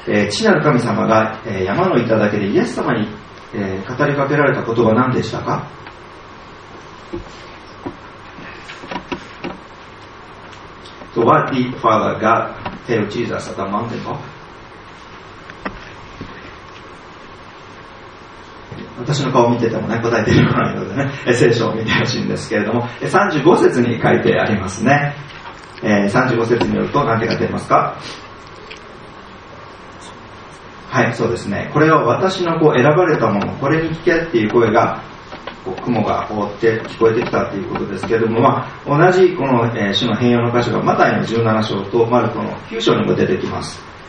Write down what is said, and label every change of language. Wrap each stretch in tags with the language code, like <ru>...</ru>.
<ja>ちなる神様が、山の頂でイエス様に、語りかけられた言葉は何でしたか？</ja> <en>So what did Father God tell Jesus at the mountain top?</en> <ja>私の顔を見ててもね、答えてこないのでね、聖書を見てほしいんですけれども、35節に書いてありますね。 35節によると何て書いてありますか。はい、そうですね、これは私のこう選ばれたもの、これに聞けっていう声がこう雲が覆って聞こえてきたということですけれども、まあ、同じこの主の変容の箇所がマタイの17章とマルコの9章にも出てきます。</ja>